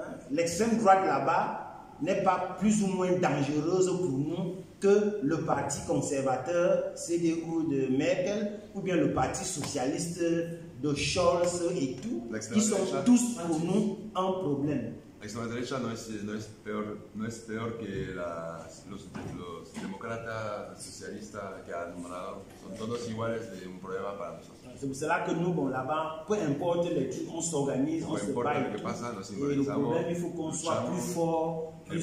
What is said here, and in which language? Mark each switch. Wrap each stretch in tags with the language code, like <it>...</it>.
<fr>L'extrême droite là-bas n'est pas plus ou moins dangereuse pour nous que le parti conservateur CDU de Merkel ou bien le parti socialiste de Scholz et tout. Ils sont tous pour nous un problème.</fr> <es>La extrema derecha no es peor que los demócratas socialistas que ha nombrado. Son todos iguales de un problema para nosotros.</es> <fr>C'est pour cela que nous, bon, là-bas, peu importe les trucs, on s'organise, on se bat.</fr> <es>Lo que pasa, nos organizamos,</es> <fr>et le problème, il faut qu'on soit plus fort, plus solidaire.</fr>